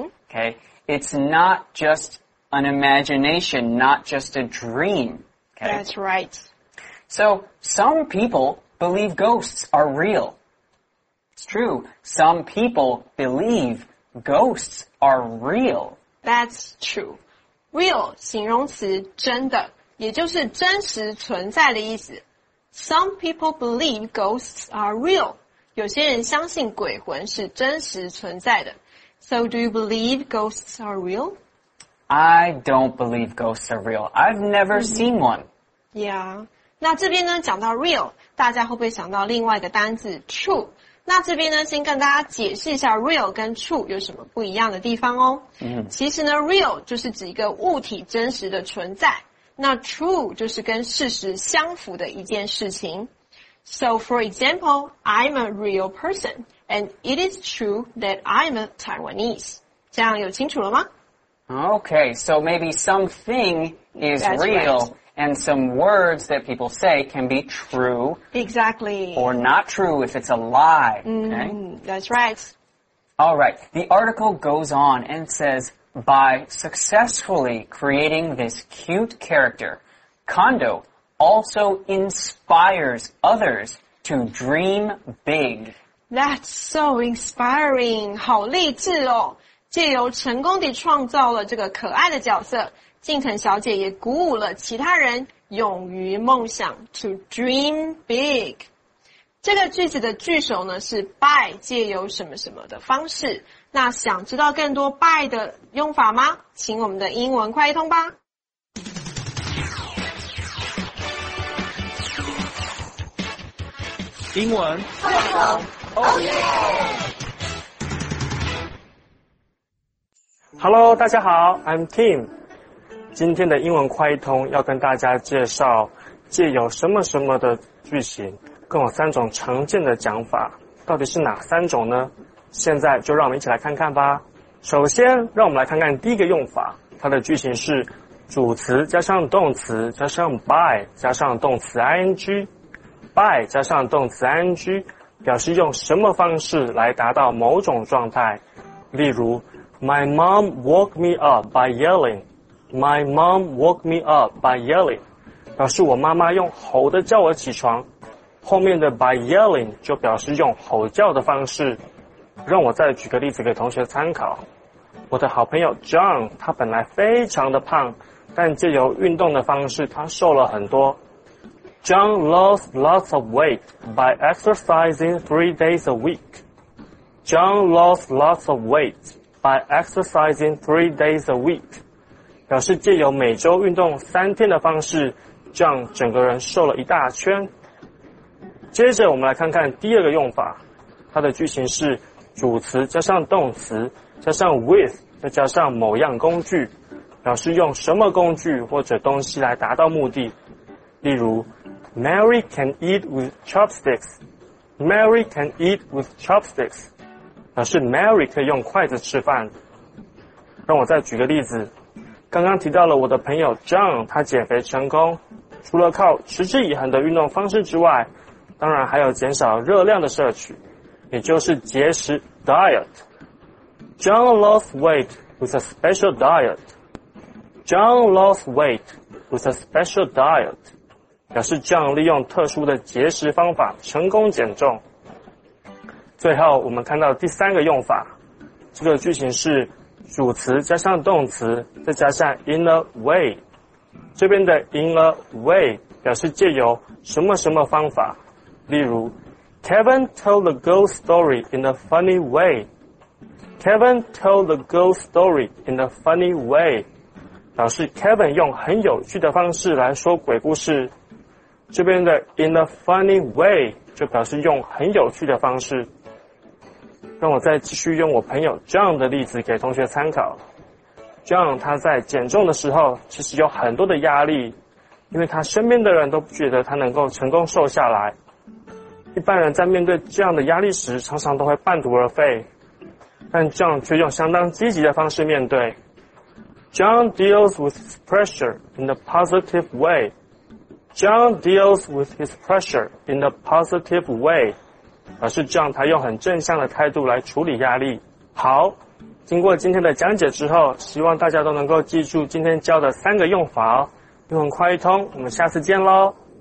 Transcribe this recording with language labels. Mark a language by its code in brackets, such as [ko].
[en] Okay, it's not just an imagination, not just a dream. Okay, that's right. So, some people believe ghosts are real. It's true. Some people believe ghosts are real. That's true. [zh] Real, 形容词真的，也就是真实存在的意思。 [en] Some people believe ghosts are real. [zh] 有些人相信鬼魂是真实存在的。 [en] So, do you believe ghosts are real? I don't believe ghosts are real. I've never seen one. Yeah. [zh] 那这边呢讲到 real， 大家会不会想到另外一个单字 true？那这边呢先跟大家解释一下 real 跟 true 有什么不一样的地方哦。其实呢 real 就是指一个物体真实的存在，那 true 就是跟事实相符的一件事情。 [en] So for example, I'm a real person, and it is true that I'm a Taiwanese. [zh] 这样有清楚了吗 [en] ？Okay, so maybe something is real. And some words that people say can be true. Exactly. Or not true if it's a lie. That's right. All right. The article goes on and says, by successfully creating this cute character, Kondo also inspires others to dream big. That's so inspiring. [zh] 好励志哦。借由成功地创造了这个可爱的角色。近藤小姐也鼓舞了其他人勇于梦想 [en] to dream big。 [zh] 这个句子的句首呢是 by 借由什么什么的方式，那想知道更多 by 的用法吗？请我们的英文快一通吧。英文快一通 [en] Oh yeah! Hello, [zh] 大家好 [en] ,I'm Tim. [zh] 今天的英文快译通要跟大家介绍借由什么什么的句型跟我三种常见的讲法到底是哪三种呢现在就让我们一起来看看吧。首先让我们来看看第一个用法它的句型是主词加上动词加上 by 加上动词 ing。 by 加上动词 ing 表示用什么方式来达到某种状态例如 [en] My mom woke me up by yelling [zh] My mom woke me up by yelling 表示我妈妈用吼的叫我起床后面的 by yelling 就表示用吼叫的方式让我再举个例子给同学参考我的好朋友 John 他本来非常的胖但借由运动的方式他瘦了很多 [en] John lost lots of weight by exercising 3 days a week. John lost lots of weight by exercising 3 days a week. [zh] 表示借由每周运动三天的方式 ,John 整个人瘦了一大圈。接着我们来看看第二个用法。它的句型是主词加上动词加上 with 再加上某样工具。表示用什么工具或者东西来达到目的。例如 [en] Mary can eat with chopsticks. Mary can eat with chopsticks. [zh] 表示 Mary 可以用筷子吃饭。让我再举个例子。刚刚提到了我的朋友 John, 他减肥成功。除了靠持之以恒的运动方式之外，当然还有减少热量的摄取，也就是节食 diet. [en] John lost weight with a special diet. John lost weight with a special diet. [zh] 表示这样利用特殊的节食方法成功减重。最后我们看到第三个用法。这个句型是主词加上动词再加上 in a way。这边的 in a way 表示借由什么什么方法。例如 [en] ,Kevin told the girl's story in a funny way. Kevin told the girl's story in a funny way. [zh] 表示 Kevin 用很有趣的方式来说鬼故事。这边的 in a funny way 就表示用很有趣的方式。让我再继续用我朋友 John 的例子给同学参考。 John 他在减重的时候其实有很多的压力，因为他身边的人都不觉得他能够成功瘦下来。一般人在面对这样的压力时常常都会半途而废，但 John 却用相当积极的方式面对。 [en] John deals with his pressure in a positive way. John deals with his pressure in a positive way. [zh] 表示 John 他用很正向的态度来处理压力。好，经过今天的讲解之后，希望大家都能够记住今天教的三个用法哦。英文快译通，我们下次见咯。